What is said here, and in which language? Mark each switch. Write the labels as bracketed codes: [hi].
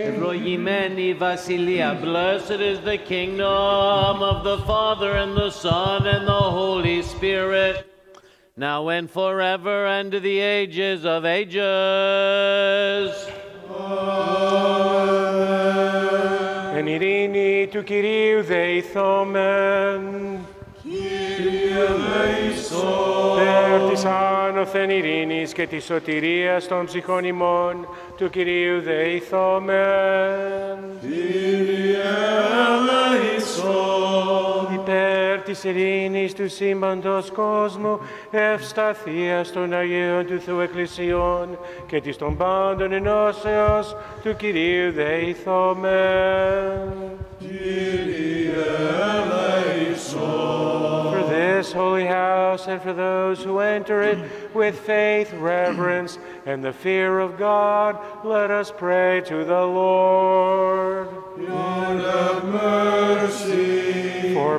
[el] Ευλογημένη Βασιλεία. [en] Blessed is the kingdom of the Father and the Son and the Holy Spirit, now and forever and to the ages of ages. Amen. [el] Εν ειρήνη του Κυρίου δεηθόμεν. Υπέρ της άνωθεν ειρήνης και της σωτηρίας των ψυχών ημών του Κυρίου δεηθόμεν. Κύριε ελέησον. Υπέρ της ειρήνης του σύμπαντος κόσμου, ευσταθίας των Αγίων του Θεού Εκκλησιών και της των πάντων ενώσεως του Κυρίου δεηθόμεν. Κύριε ελέησον. [en] This holy house, and for those who enter it with faith, reverence, and the fear of God, let us pray to the Lord. Lord, have mercy. For